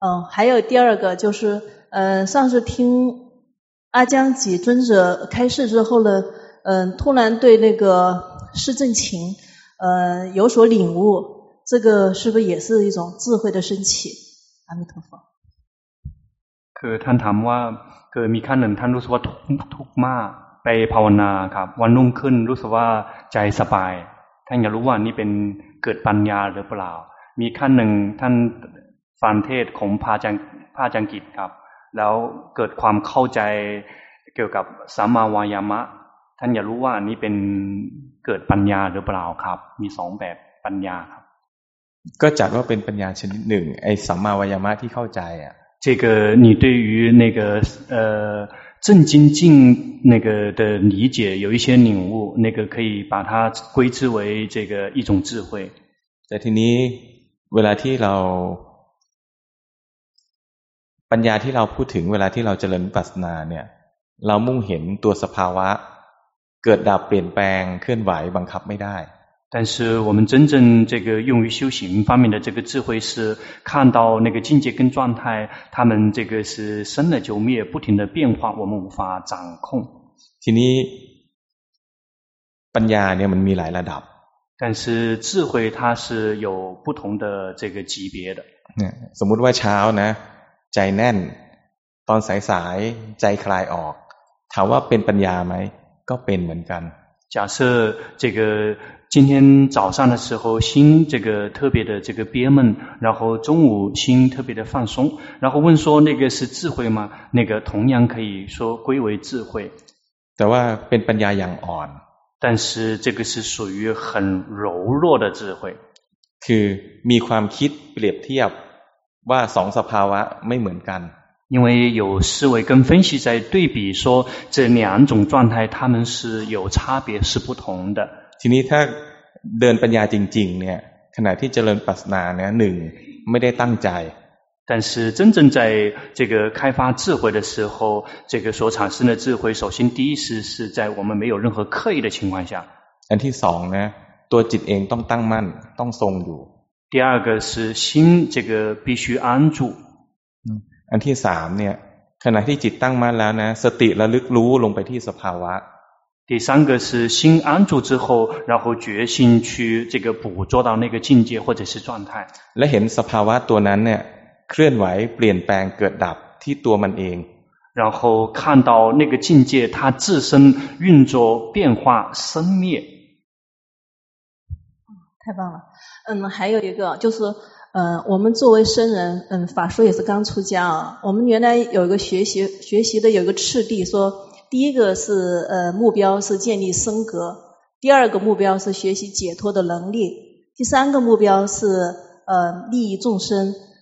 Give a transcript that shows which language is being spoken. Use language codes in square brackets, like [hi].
[zh] 还有第二个就是上次听阿姜几尊者开示之后呢突然对那个世正情有所领悟这个是不是也是一种智慧的升起阿弥陀佛 [th] คือท่านถามว่าคือมีขั้นหนึ่งท่านรู้สึกว่าทุกมากไปภาวนาครับวันรุ่งขึ้นรู้สึกว่าใจสบายท่านอยากรู้ว่านี่เป็นเกิดปัญญาหรือเปล่ามีขั้นหนึ่งท่านฟังเทศของพาจังกิจครับแล้วเกิดความเข้าใจเกี่ยวกับสัมมาวายามะท่านอยากรู้ว่าอันนี้เป็นเกิดปัญญาหรือเปล่าครับมีสองแบบปัญญาครับ ก็จัดว่าเป็นปัญญาชนิดหนึ่งไอ้สัมมาวายามะที่เข้าใจอ่ะ [zh] 这个你对于那个正精进那个的理解有一些领悟那个可以把它归之为这个一种智慧 [th] แต่ทีนี้เวลาที่เราปัญญาที่เราพูดถึงเวลาที่เราเจริญวิปัสสนาเนี่ยเรามุ่งเห็นตัวสภาวะเกิดดับเปลี่ยนแปลงเคลื่อนไหวบังคับไม่ได้ [zh] 但是我们真正这个用于修行方面的这个智慧是看到那个境界跟状态他们这个是生了就灭不停的变化我们无法掌控 [th] ทีนี้ปัญญาเนี่ยมันมีหลายระดับ [zh] 但是智慧它是有不同的这个级别的 [th] สมมติว่าเช้านะใจแน่นตอนสายๆใจคลายออกถามว่าเป็นปัญญาไหมก็เป็นเหมือนกัน [zh] 假设这个今天早上的时候心这个特别的这个憋闷然后中午心特别的放松然后问说那个是智慧吗那个同样可以说归为智慧 [th] แต่ว่าเป็นปัญญาอย่างอ่อน [zh] 但是这个是属于很柔弱的智慧 [th] คือมีความคิดเปรียบเทียบว่าสองสภาวะไม่เหมือนกัน [zh] 因为有思维跟分析在对比说这两种状态他们是有差别是不同的 [th] ทีนี้ถ้าเดินปัญญาจริงๆเนี่ยขณะที่เจริญปัสสนาเนี่ยหนึ่งไม่ได้ตั้งใจ [zh] 但是真正在这个开发智慧的时候这个所产生的智慧首先第一次是在我们没有任何刻意的情况下 [th] อันที่สองนะตัวจิตเองต้องตั้งมั่นต้องทรงอยู่ [zh] 第二个是心这个必须安住 [th] อันที่สามเนี่ยขณะที่จิตตั้งมั่นแล้วนะสติระลึกรู้ลงไปที่สภาวะ [zh] 第三个是心安住之后然后决心去这个捕捉到那个境界或者是状态 [th] และเห็นสภาวะตัวนั้นเนี่ยเคลื่อนไหวเปลี่ยนแปลงเกิดดับที่ตัวมันเอง [zh] 然后看到那个境界它自身运作变化生灭太棒了还有一个就是我们作为僧人法说也是刚出家啊我们原来有一个学习的有一个次第说第一个是目标是建立僧格第二个目标是学习解脱的能力第三个目标是利益众生